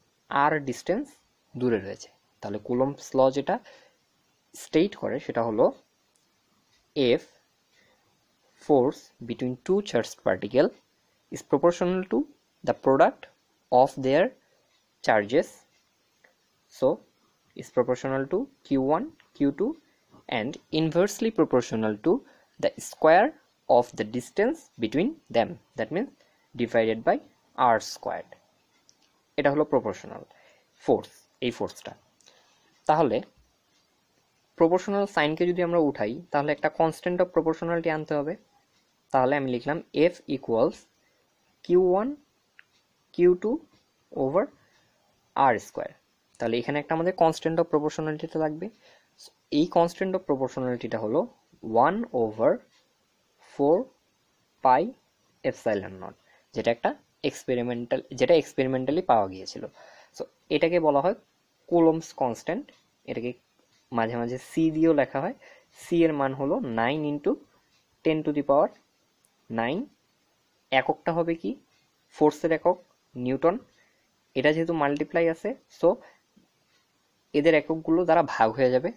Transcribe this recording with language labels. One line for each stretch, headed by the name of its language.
Bangla: আর distance দূরে রয়েছে তাহলে কুলম্বস ল যেটা স্টেট করে সেটা হলো
English: F force between two charge particle is proportional to the product of their charges so is proportional to q one q two and inversely proportional to the square of the distance between them, that means divided by r squared.
Bangla: এটা হলো proportional force, এই forceটা. তাহলে proportional sineকে যদি আমরা উঠাই, তাহলে একটা constant of proportionality আনতে হবে. তাহলে আমি লিখলাম
English: F equals Q1 Q2 over R square.
Bangla: তাহলে এখানে একটা আমাদের constant of proportionality লাগবে. এই constant of proportionalityটা হলো 1 over 4 pi epsilon naught. যেটা একটা experimental, যেটা experimentally পাওয়া গিয়েছিল. So এটাকে বলা হয় Coulomb's constant. এটাকে মাঝে মাঝে C দিয়েও লেখা হয়. C এর মান হলো 9 into 10 to the power 9, এককটা হবে কি ফোর্সের একক নিউটন, এটা যেহেতু মাল্টিপ্লাই আছে সো এদের এককগুলো দ্বারা ভাগ হয়ে যাবে.